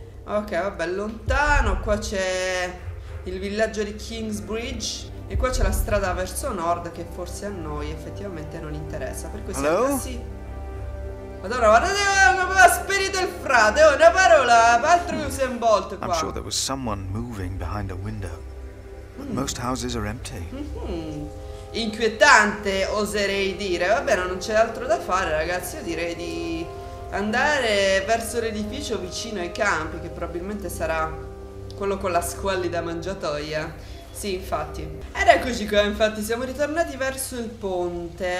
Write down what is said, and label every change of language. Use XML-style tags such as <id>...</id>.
<it>Ok, vabbè, lontano. Qua c'è il villaggio di Kingsbridge. E qua c'è la strada verso nord, che forse a noi effettivamente non interessa. Per questo sì. Madonna, guardate, aveva sparito il frate. Oh, una parola, altro che Usain Bolt qua.</it> <en>I'm sure there was someone moving behind a window. But most houses are empty.</en> <it>Inquietante, oserei dire. Vabbè, non c'è altro da fare, ragazzi. Io direi di andare verso l'edificio vicino ai campi, che probabilmente sarà quello con la squallida mangiatoia. Sì, infatti. Ed eccoci qua, infatti, siamo ritornati verso il ponte.</it>